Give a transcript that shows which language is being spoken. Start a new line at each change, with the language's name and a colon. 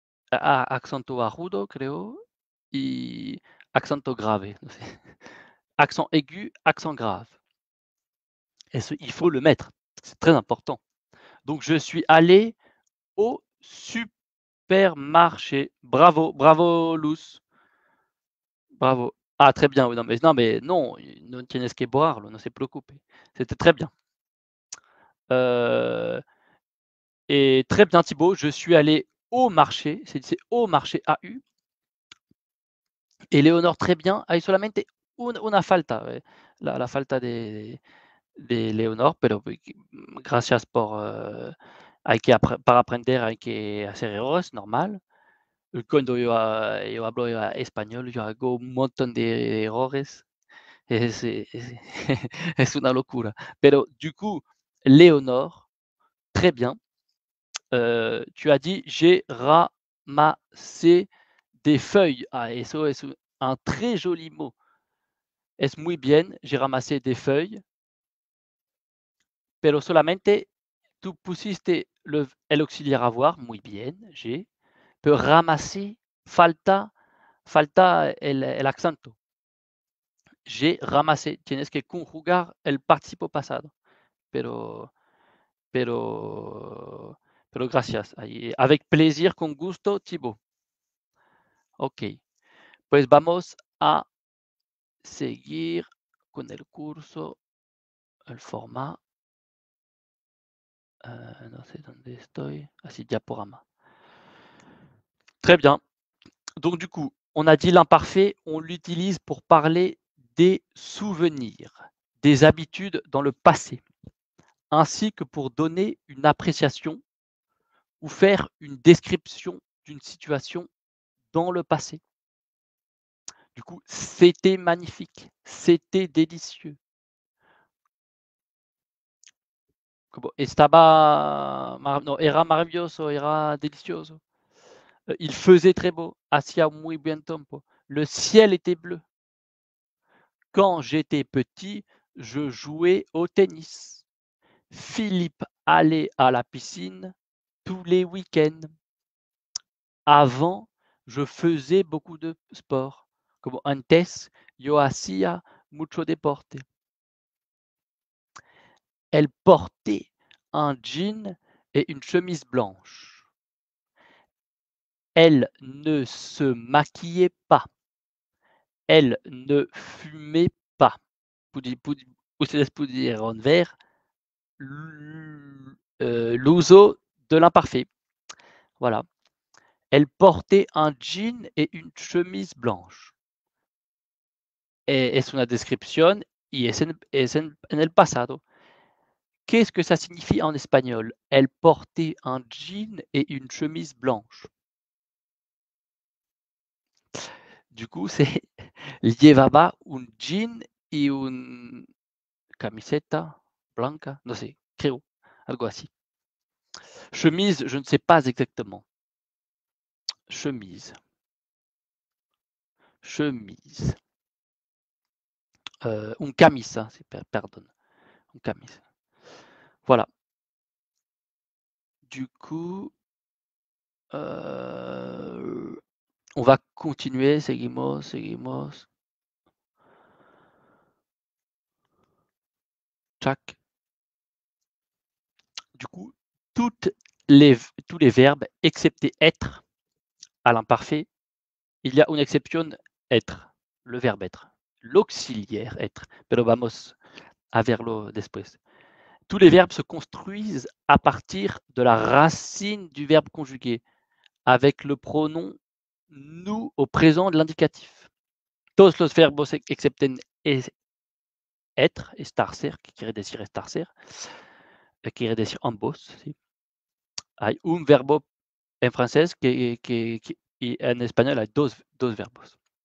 Spanish: Accento agudo, creo. Y accento grave.
French: Accent aigu, accent grave. Et ce, il faut le mettre. C'est très important. Donc, je suis allé au supermarché. Bravo, bravo, Luz. Bravo. Ah, très bien.
Spanish: Non, no tienes que boire, no se preocupe.
French: C'était très bien. Et très bien, Thibaut. Je suis allé au marché. C'est au marché AU. Et Léonore, très bien.
Spanish: Hay solamente una falta. La falta de Léonore, pero gracias por para aprender, hay que hacer errores, normal. Cuando yo hablo español, yo hago un montón de errores. Es una locura.
French: Pero du coup, Léonore, très bien. Tu as dit, j'ai ramassé des feuilles.
Spanish: Ah, eso es un
French: très joli mot.
Spanish: Es muy bien,
French: j'ai ramassé des feuilles.
Spanish: Pero solamente tu pusiste el auxiliar avoir, muy bien, j'ai. Pero ramasser, falta el acento.
French: J'ai ramassé,
Spanish: tienes que conjugar el participo pasado. Pero gracias.
French: Avec plaisir,
Spanish: con gusto,
French: Thibaut. Ok.
Spanish: Pues vamos a seguir con el curso, el format.
French: Non, c'est dans des stories. Ah, c'est diaporama. Très bien. Donc, du coup, on a dit l'imparfait, on l'utilise pour parler des souvenirs, des habitudes dans le passé, ainsi que pour donner une appréciation ou faire une description d'une situation dans le passé. Du coup, c'était magnifique, c'était délicieux.
Spanish: Estaba, no, era maravilloso, era delicioso.
French: Il faisait très beau.
Spanish: Hacía muy buen tiempo.
French: Le ciel était bleu. Quand j'étais petit, je jouais au tennis. Philippe allait à la piscine tous les week-ends. Avant, je faisais beaucoup de sport.
Spanish: Como antes, yo hacía mucho deporte.
French: Elle portait un jean et une chemise blanche. Elle ne se maquillait pas. Elle ne fumait pas.
Spanish: Ustedes pudieron ver l'uso de l'imparfait. Voilà.
French: Elle portait un jean et une chemise blanche.
Spanish: Es una descripción y es en el pasado.
French: Qu'est-ce que ça signifie en espagnol? Elle portait un jean et une chemise blanche. Du coup, c'est
Spanish: llevaba un jean y una camiseta blanca. No sé, creo. Algo así.
French: Chemise, je ne sais pas exactement. Chemise. Chemise.
Spanish: Un camisa,
French: pardon. Un camisa. Voilà. Du coup, on va continuer.
Spanish: Seguimos. Tac.
French: Du coup, tous les verbes, excepté être, à l'imparfait, il y a une exception, être, le verbe être, l'auxiliaire être.
Spanish: Pero vamos a verlo después.
French: Tous les verbes se construisent à partir de la racine du verbe conjugué, avec le pronom nous au présent de l'indicatif.
Spanish: Todos los verbos excepten être, estarse, qui quiere decir estarse, qui quiere decir ambos. Hay un verbo en francés y en español hay dos verbos.